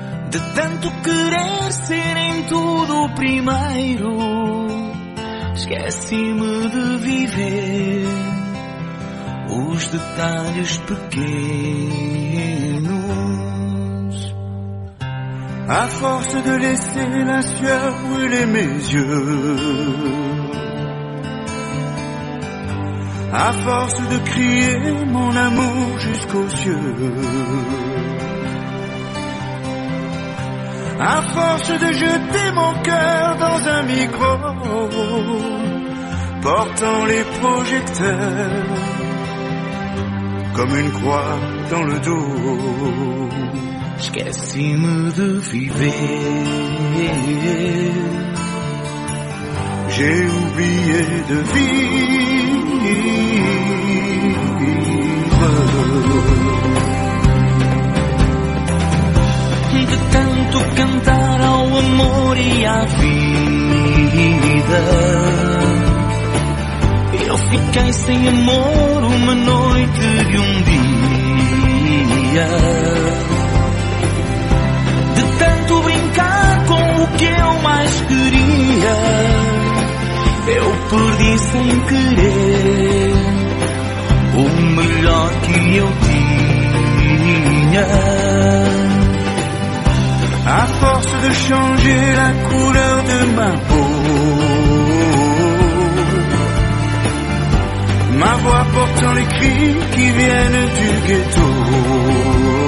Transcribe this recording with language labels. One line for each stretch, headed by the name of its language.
Portuguese: De tanto querer ser em tudo o primeiro, esqueci-me de viver os detalhes pequenos.
French: À force de laisser la sueur brûler mes yeux, à force de crier mon amour jusqu'aux cieux, à force de jeter mon cœur dans un micro portant les projecteurs comme une croix dans le dos,
Portuguese: esqueci-me
French: de vivre, j'ai oublié de vivre.
Portuguese: De tanto cantar ao amor e à vida, eu fiquei sem amor uma noite e um dia. De tanto brincar com o que eu mais queria, eu perdi sem querer o melhor que eu tinha. À força
French: de changer a couleur de ma peau, ma voix portant les cris qui viennent du ghetto.